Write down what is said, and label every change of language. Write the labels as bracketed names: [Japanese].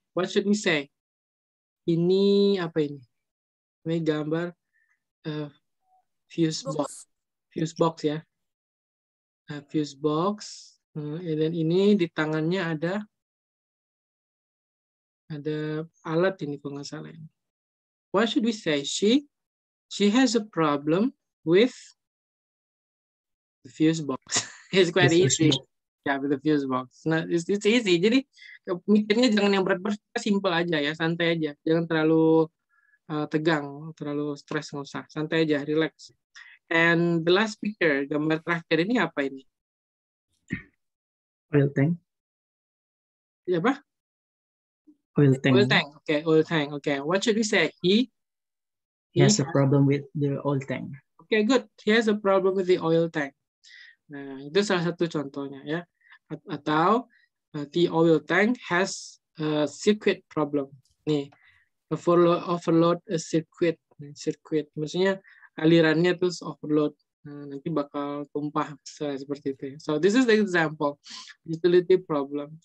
[English] What should we say? [Indonesian] Ini apa ini? Ini gambar fuse box ya. Fuse box. Dan ini di tangannya ada alat ini kalau nggak salah. [English] What should we say? She has a problem with the fuse box. It's quite easy. Yeah, with the fuse box. Nah, it's easy. [Indonesian] Jadi mikirnya jangan yang berat-berat, simple aja ya, santai aja. Jangan terlalu tegang, terlalu stres nggak usah. Santai aja, relax. [English] And the last picture, [Indonesian] gambar terakhir ini apa ini? [English] Oil tank. [Indonesian] Ya apa? [English] Oil tank. Oil tank. Okay, oil tank. Okay. What should we say? He has a problem with the oil tank. Okay, good. He has a problem with the oil tank. [Indonesian] Nah, itu salah satu contohnya ya. [English] Atau the oil tank has a circuit problem. [Indonesian] Nih, overload a circuit. Circuit maksudnya alirannya terus overload. Nah, nanti bakal tumpah seperti itu. [English] So this is the example utility problem.